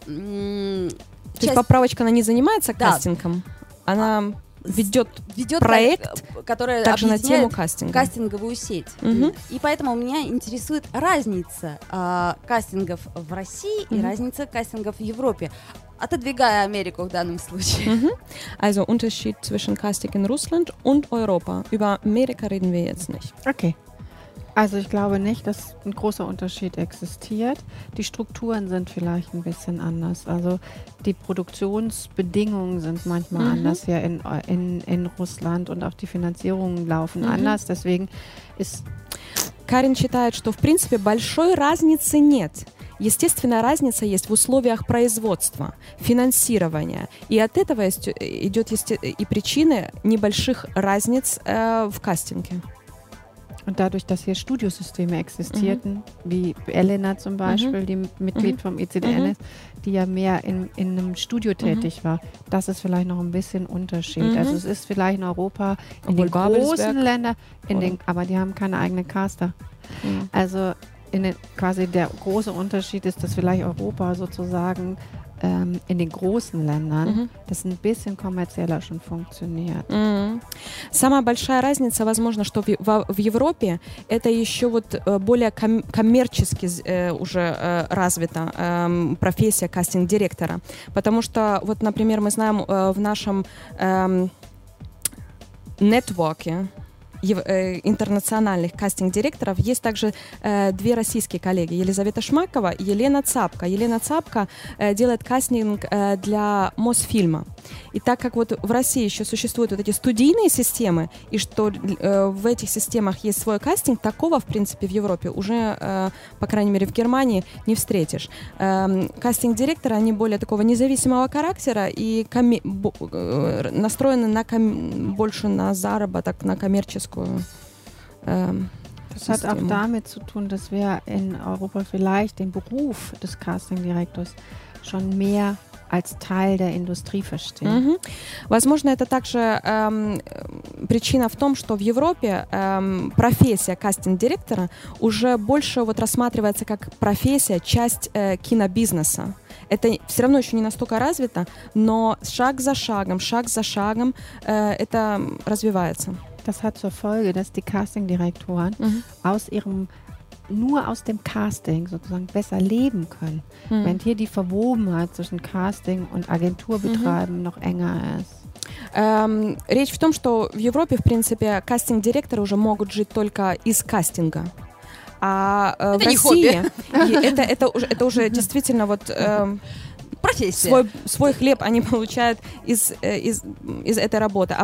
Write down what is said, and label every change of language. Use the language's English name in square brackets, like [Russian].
[Russian] То есть поправочка, она не занимается кастингом? Да. Она ведет проект, который также на тему кастинга. Кастинговую сеть. Угу. И поэтому меня интересует разница кастингов в России и разница кастингов в Европе. Отодвигая Америку в данном случае. [German] Also Unterschied zwischen Casting in Russland und Europa. Über Amerika reden wir jetzt nicht. Okay. Also ich glaube nicht, dass ein großer Unterschied existiert. Die Strukturen sind vielleicht ein bisschen anders. Also die Produktionsbedingungen sind manchmal anders hier in Russland und auch die Finanzierungen laufen anders. Deswegen ist... [Russian] Карин считает, что в принципе большой разницы нет. Естественно, разница есть в условиях производства, финансирования. И от этого идет и причины небольших разниц в кастинге. [German] Und dadurch, dass hier Studiosysteme existierten, wie Elena zum Beispiel, die Mitglied vom ECDN ist, die ja mehr in einem Studio tätig war, das ist vielleicht noch ein bisschen Unterschied. Also es ist vielleicht in Europa, in den großen Ländern, aber die haben keine eigenen Caster. Mhm. Also quasi der große Unterschied ist, dass vielleicht Europa sozusagen in den großen Ländern das ein bisschen kommerzieller schon funktioniert. [Russian] Самая большая разница, возможно, что в Европе это еще вот более коммерчески уже развита профессия кастинг-директора. Потому что, вот, например, мы знаем в нашем нетворке интернациональных кастинг-директоров есть также две российские коллеги — Елизавета Шмакова и Елена Цапко. Елена Цапко делает кастинг для Мосфильма. И так как вот в России еще существуют вот эти студийные системы, и что в этих системах есть свой кастинг, такого, в принципе, в Европе уже, по крайней мере, в Германии не встретишь. Кастинг-директоры, они более такого независимого характера и настроены на больше на заработок, на коммерческую [German] Das hat auch damit zu tun, dass wir in Europa vielleicht den Beruf des Casting-Directors schon mehr als Teil der Industrie verstehen. [Russian] Возможно, это также причина в том, что в Европе профессия кастинг-директора уже больше вот рассматривается как профессия, часть кинобизнеса. Это все равно еще не настолько развито, но шаг за шагом это развивается. [German] Das hat zur Folge, dass die Casting-Direktoren nur aus dem Casting sozusagen besser leben können, wenn hier die Verwobenheit zwischen Casting und Agenturbetreiben noch enger ist. [Russian] Речь в том, что в Европе, в принципе, кастинг-директоры уже могут жить только из кастинга. А в России это уже действительно вот... профессия. Свой хлеб они получают из этой работы. А